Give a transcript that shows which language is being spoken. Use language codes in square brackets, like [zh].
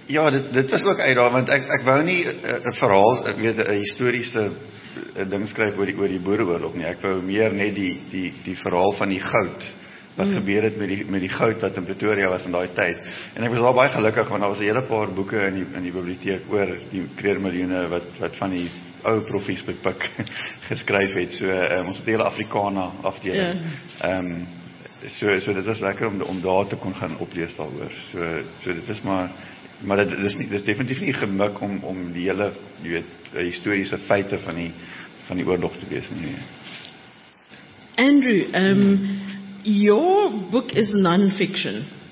[af] Ja, dit was ook uitdaging, want ek wou nie een verhaal, ek weet, een historiese ding skryf oor die boereoorlog nie, ek wou meer net die verhaal van die goud, wat gebeur het met die goud wat in Pretoria was in daai tyd. En ek was al baie gelukkig, want daar was 'n hele paar boeke in die biblioteek oor die kreermiljoene wat van die ou profies bepik geskryf het. So, ons het hele Afrikana afdeling. Yeah. So dit was lekker om daar te kon gaan oplees daaroor. So dit is maar dit is definitief nie gemik om die hele, jy weet, historiese feite van die oorlog te wees nie. [en] Andrew, your book is non-fiction.